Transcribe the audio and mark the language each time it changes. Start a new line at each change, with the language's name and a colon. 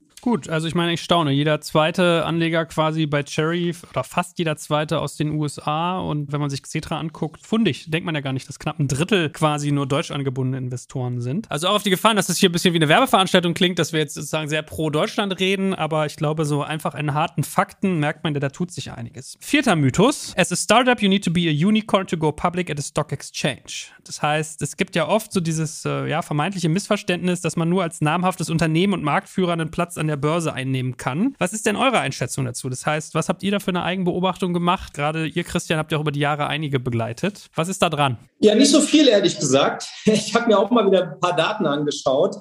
German: Gut, also ich meine, ich staune. Jeder zweite Anleger quasi bei Cherry oder fast jeder zweite aus den USA. Und wenn man sich Xetra anguckt, fundig, denkt man ja gar nicht, dass knapp ein Drittel quasi nur deutsch angebundene Investoren sind. Also auch auf die Gefahren, dass das hier ein bisschen wie eine Werbeveranstaltung klingt, dass wir jetzt sozusagen sehr pro Deutschland reden. Aber ich glaube, so einfach in harten Fakten merkt man, da tut sich einiges. Vierter Mythos.
English: As a startup, you need to be a unicorn to go public at a stock exchange.
German: Das heißt, es gibt ja oft so dieses vermeintliche Missverständnis, dass man nur als namhaftes Unternehmen und Marktführer einen Platz an der Börse einnehmen kann. Was ist denn eure Einschätzung dazu? Das heißt, was habt ihr da für eine Eigenbeobachtung gemacht? Gerade ihr, Christian, habt ja auch über die Jahre einige begleitet. Was ist da dran? Ja, nicht so viel, ehrlich gesagt. Ich habe mir auch mal wieder ein paar Daten angeschaut.